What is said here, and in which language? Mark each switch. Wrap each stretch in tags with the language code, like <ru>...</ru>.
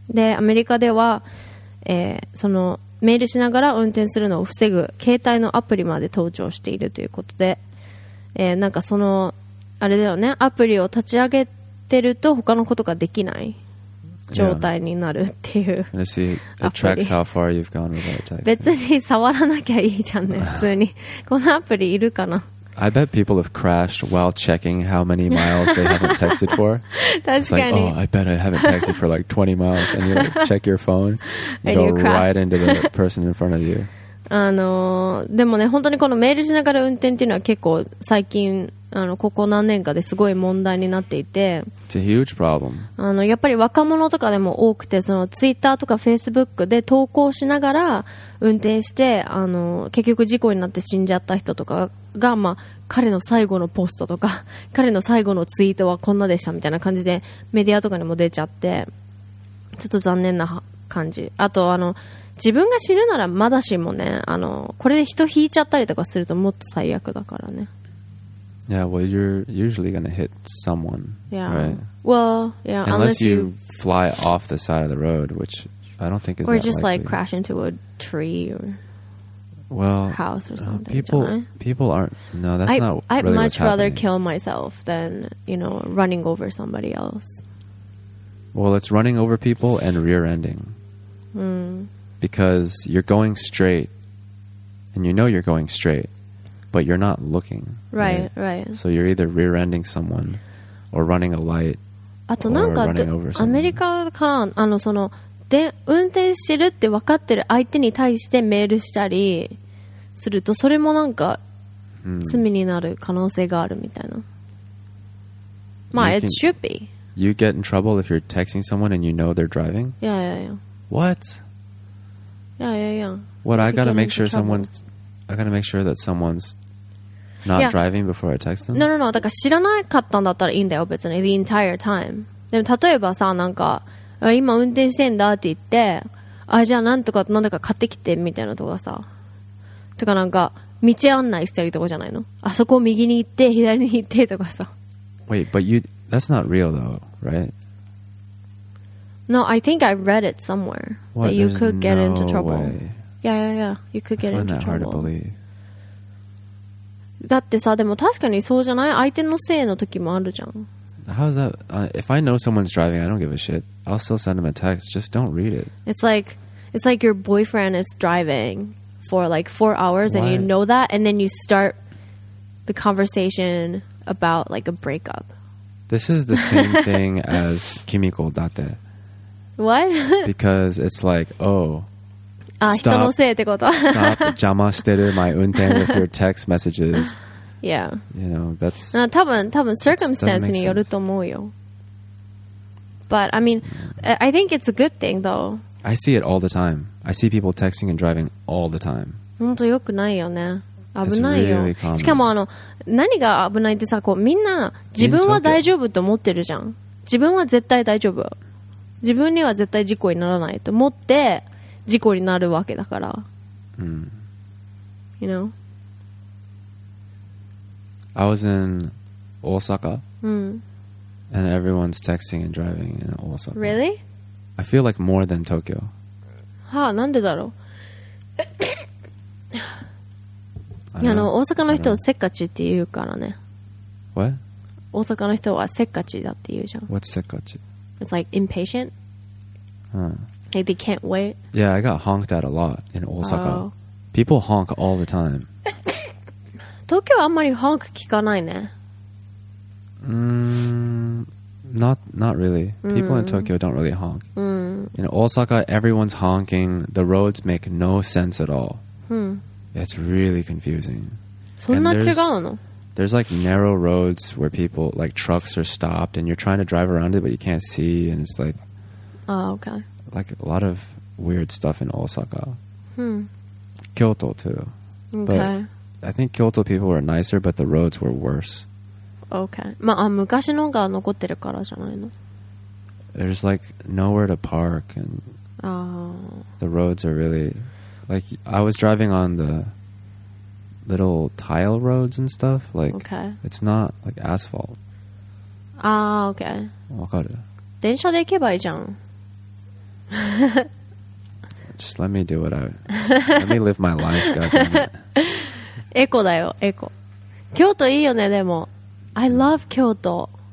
<ja>で、アメリカでは、そのメールしながら運転するのを防ぐ携帯のアプリまで登場しているということで、なんかそのあれだよね、アプリを立ち上げてると他のことができない状態になるっていう、</ja> <en>yeah. see, it tracks how far you've gone without texting.</en> <ja>別に触らなきゃいいじゃんね、普通にこのアプリいるかな。</ja> <en>I bet people have crashed while checking how many miles they haven't texted for. It's like, oh, I bet I haven't texted for like 20 miles. And you like, check your phone, and go right into the person in front of you.</en> <ja>でもね本当にこのメールしながら運転っていうのは結構最近ここ何年かですごい問題になっていて</ja> <en>It's a huge problem.</en> <ja>やっぱり若者とかでも多くてそのツイッターとかフェイスブックで投稿しながら運転して結局事故になって死んじゃった人とかが、まあ、彼の最後のポストとか彼の最後のツイートはこんなでしたみたいな感じでメディアとかにも出ちゃってちょっと残念な感じあと自分が死ぬならまだしもねこれで人引いちゃったりとかするともっと最悪だからね</ja> <en>Yeah, well, you're usually going to hit someone, yeah. right? Well, yeah, unless you fly off the side of the road, which I don't think is that likely. Or just, like, crash into a tree or well, house or something, people aren't... No, that's not really what's happening. I'd much rather kill myself than, you know, running over somebody else. Well, it's running over people and rear-ending. Because you're going straight, and you know you're going straight. But you're not looking. Right. So you're either rear-ending someone or running a light or running over someone.</en> <ja>アメリカから運転してるって分かってる相手に対してメールしたりするとそれもなんか罪になる可能性があるみたいな。まあ、</ja> <en>it should be. You get in trouble if you're texting someone and you know they're driving? Yeah. What? Yeah. What, I gotta make sure that someone's Not yeah. driving before I text them? No.</en> <ja>だから知らなかったんだったらいいんだよ、別に。</ja> <en>The entire time.</en> <ja>でも、例えばさ、なんか、今運転してんだって言って、あ、じゃあなんとか、なんだか買ってきて、みたいなとかさ。とかなんか、道案内してるとこじゃないの？あそこ右に行って、左に行ってとかさ。</ja> <en>Wait, but you... That's not real though, right? No, I think I read it somewhere. What? That you There's could get no into trouble. Way. Yeah. You could get into trouble. I find that hard to believe.</en> <ja>だってさ、でも確かにそうじゃない？相手のせいの時もあるじゃん。</ja> <en>How's that? If I know someone's driving, I don't give a shit. I'll still send them a text. Just don't read it. It's like your boyfriend is driving for like 4 hours and you know that and then you start the conversation about like a breakup. This is the same thing as Kimiko Date. What? Because it's like, oh...</en> <ja>人のせいってこと邪魔してる</ja> <en>my</en> <ja>運転</ja> <en>with your text messages yeah you know that's</en> <ja>多分</ja> <en>circumstance</en> <ja>によると思うよ</ja> <en>but I mean I think it's a good thing though I see it all the time I see people texting and driving all the time</en> <ja>本当よくないよね危ないよ、</ja> <en>really、</en> <ja>しかも何が危ないってさこうみんな自分は大丈夫と思ってるじゃん自分は絶対大丈夫自分には絶対事故にならないと思って事故になるわけだから、</ja> <en>You know? I was in Osaka and everyone's texting and driving in Osaka. Really? I feel like more than Tokyo.</en> <ja>はあ、なんでだろう大阪の人はせっかちって言うからね。</ja> <en>What?</en> <ja>大阪の人はせっかちだって言うじゃん。</ja> <en>What's せっかち? It's like impatient. Like they can't wait. Yeah, I got honked at a lot in Osaka. Oh. People honk all the time.</en> <ja>Tokyo, あんまり honk 聞かないね。</ja> <en>Not really. People in Tokyo don't really honk. In Osaka, everyone's honking. The roads make no sense at all. It's really confusing.</en> <ja>そんな違うの?</ja> <en>There's like narrow roads where people, like trucks are stopped and you're trying to drive around it but you can't see and it's like... Oh, okay. Like a lot of weird stuff in Osaka. Kyoto too. Okay. But I think Kyoto people were nicer, but the roads were worse. Okay.</en> <ja>まあ、昔のが残ってるからじゃないの?</ja> <en>There's like nowhere to park and the roads are really... Like I was driving on the little tile roads and stuff. Like, okay. It's not like asphalt. Ah, okay.</en> <ja>わかる? 電車で行けばいいじゃん。</ja> <en>Just let me do what I let me live my life.</en> <ja>エコだよ、エコ。京都いいよね、でも。</ja> <en>I love Kyoto.</en>